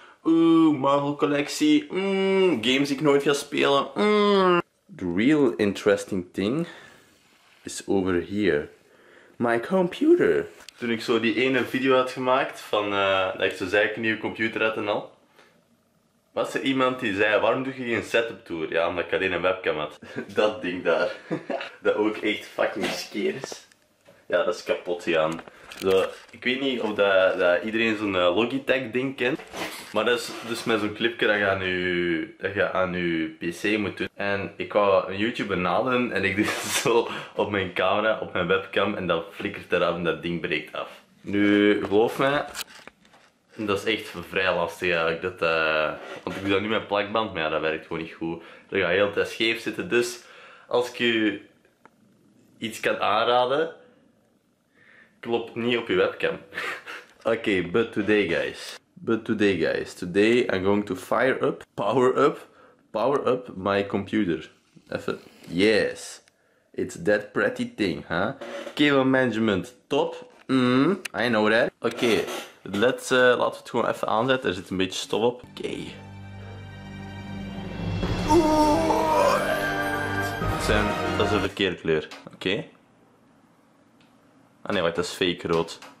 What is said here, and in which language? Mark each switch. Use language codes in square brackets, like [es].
[nl] Oeh, Marvel-collectie, games die ik nooit ga spelen. [en] The real interesting thing is over here. My computer. [nl] Toen ik zo die ene video had gemaakt van dat ik zo zei ik een nieuwe computer had en al, was er iemand die zei, waarom doe je geen setup tour? Ja, omdat ik alleen een webcam had. Dat ding daar. Dat ook echt fucking skeer is. Ja, dat is kapot, Jan. Zo, ik weet niet of dat iedereen zo'n Logitech ding kent. Maar dat is dus met zo'n clipje dat je aan je pc moet doen. En ik wou een YouTube benaderen en ik doe het zo op mijn camera, op mijn webcam. En dat flikkert eraf en dat ding breekt af. Nu, geloof mij. Dat is echt vrij lastig eigenlijk, want ik doe dat nu met plakband, maar ja, dat werkt gewoon niet goed. Dat gaat heel te scheef zitten, dus als ik je iets kan aanraden, klopt niet op je webcam. [en] Oké, but today guys, today I'm going to power up my computer. Even, yes, it's that pretty thing, huh? Cable management, top, I know that. [nl] Oké. Laten we het gewoon even aanzetten. Er zit een beetje stof op. Oké. Dat is de verkeerde kleur. Oké. Ah nee, wacht, dat is fake rood.